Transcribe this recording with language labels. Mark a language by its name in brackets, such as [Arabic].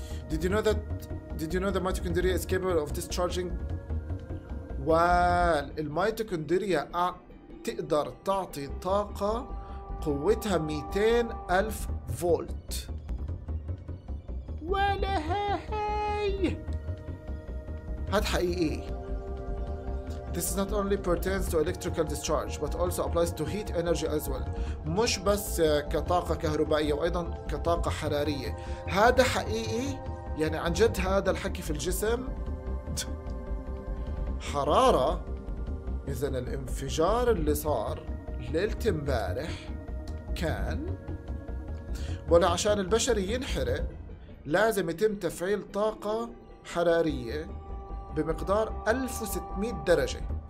[English] Did you know that mitochondria is capable of discharging? Well, [Arabic] الميتوكوندريا تقدر تعطي طاقة قوتها 200,000 فولت. ولا هاي هاد حقيقي. [English] This is not only pertains to electrical discharge but also applies to heat energy as well. [Arabic] مش بس كطاقة كهربائية وأيضا كطاقة حرارية. هذا حقيقي. يعني عن جد هذا الحكي في الجسم حرارة. إذن الانفجار اللي صار ليلة امبارح كان، ولا عشان البشر ينحرق لازم يتم تفعيل طاقة حرارية بمقدار 1600 درجة.